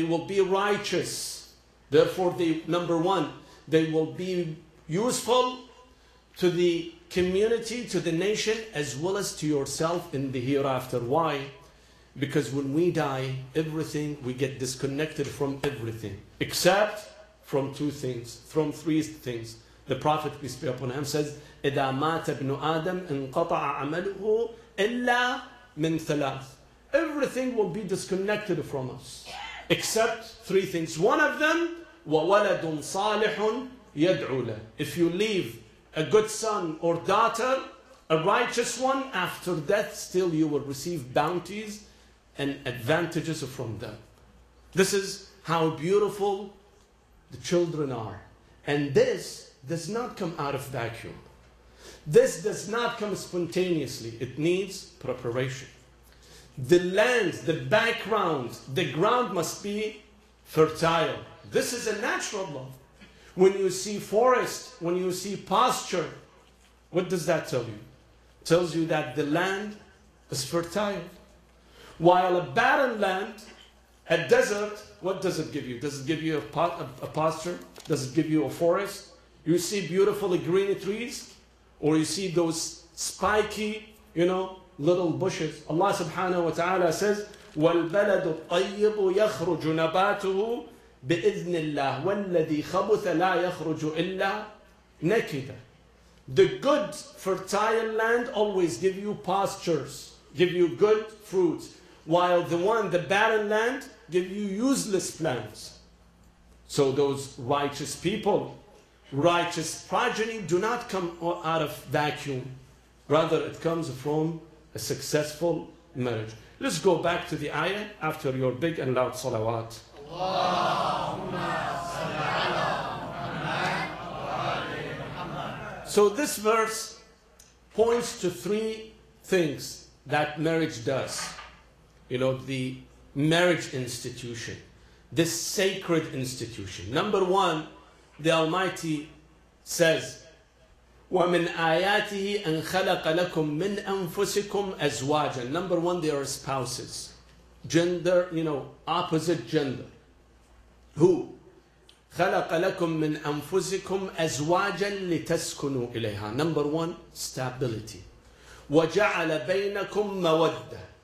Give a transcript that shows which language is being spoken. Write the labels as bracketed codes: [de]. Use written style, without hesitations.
[en] They will be righteous. Therefore, they, number one, they will be useful to the community, to the nation, as well as to yourself in the hereafter. Why? Because when we die, everything, we get disconnected from everything. Except from two things, from three things. The Prophet, peace be upon him, says, [ar] إِذَا مَاتَ ابْنُ آدَمْ انْقَطَعَ عَمَلُهُ إِلَّا مِنْ ثَلَاثٍ. [en] Everything will be disconnected from us. Except three things. One of them, [ar] وَوَلَدٌ صَالِحٌ يَدْعُو لَهُ. [en] If you leave a good son or daughter, a righteous one, after death, still you will receive bounties and advantages from them. This is how beautiful the children are. And this does not come out of vacuum. This does not come spontaneously. It needs preparation. The land, the background, the ground must be fertile. This is a natural law. When you see forest, when you see pasture, what does that tell you? It tells you that the land is fertile. While a barren land, a desert, what does it give you? Does it give you a pasture? Does it give you a forest? You see beautiful green trees? Or you see those spiky, you know, little bushes? [ar] Allah subhanahu wa ta'ala says, وَالْبَلَدُ الطَّيِّبُ يَخْرُجُ نَبَاتُهُ بِإِذْنِ اللَّهِ وَالَّذِي خَبُثَ لَا يَخْرُجُ إِلَّا نَكِدًا. [en] The good, fertile land always give you pastures, give you good fruits. While the one, the barren land, give you useless plants. So those righteous people, righteous progeny, do not come out of vacuum. Rather, it comes from a successful marriage. Let's go back to the ayah after your big and loud salawat. [ar] Allahumma salli ala Muhammad wa ali Muhammad. [en] So this verse points to three things. that marriage does. You know, the marriage institution, this sacred institution. Number one, the Almighty says, [ar] وَمِنْ آيَاتِهِ أَنْ خَلَقَ لَكُمْ مِنْ أَنفُسِكُمْ أَزْوَاجًا. [en] Number one, they are spouses. Gender, you know, opposite gender. Who? [ar] خَلَقَ لَكُمْ مِنْ أَنفُسِكُمْ أَزْوَاجًا لِتَسْكُنُوا إِلَيْهَا. [en] Number one, stability. [ar] وَجَعَلَ بَيْنَكُمْ مَوَدَّةً.